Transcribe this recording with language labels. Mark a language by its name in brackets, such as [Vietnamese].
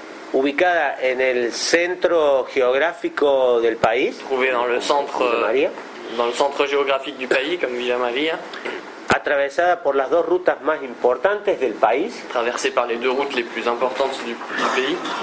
[Spanish] Ubicada en el centro geográfico del país. [French] Trouvée dans le centre géographique du pays, comme Villa María. [Spanish] Atravesada por las dos rutas más importantes del país. [French] Traversée par les deux routes les plus importantes du pays.